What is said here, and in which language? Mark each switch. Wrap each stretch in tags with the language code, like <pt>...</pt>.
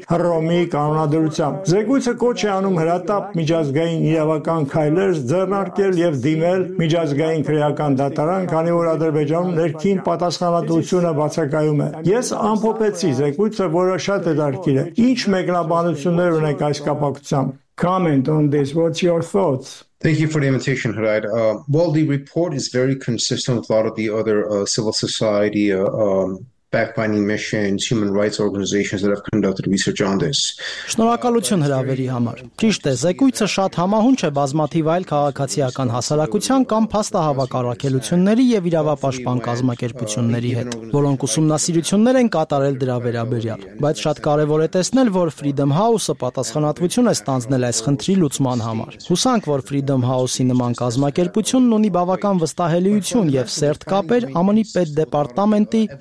<hy>Հռոմի կանոնադրությամբ։ Զեկույցը կոչ է անում հրատապ միջազգային իրավական քայլեր ձեռնարկել և դիմել միջազգային քրեական դատարան, քանի որ Ադրբեջանում ներքին պատասխանատվությունը բացակայում է։ Ես ամփոփեցի զեկույցը, որը շատ հետաքրքիր է։ Ինչ մեկնաբանություններ ունեք այս կապակցությամբ?</hy> <en>Comment on this. What's your thoughts? Thank you for the invitation, Hrayt. Well, the report is very consistent with a lot of the other civil society backfinding missions, human rights organizations that have conducted research on this.</en> <hy>Շնորհակալություն հրավերի համար։ Ճիշտ է, զեկույցը շատ համահունչ է բազմաթիվ այլ քաղաքացիական հասարակության կամ փաստահավաք առաքելությունների եւ իրավապաշտպան կազմակերպությունների հետ, որոնք ուսումնասիրություններ են կատարել դրա վերաբերյալ, բայց շատ կարևոր է տեսնել, որ Freedom House-ը պատասխանատվություն է ստանձնել այս խնդրի լուծման համար։ Հուսանք, որ Freedom House-ի նման կազմակերպությունն ունի բավական վստահելիություն եւ սերտ կապեր ԱՄՆ-ի պետ դեպարտամենտի</hy>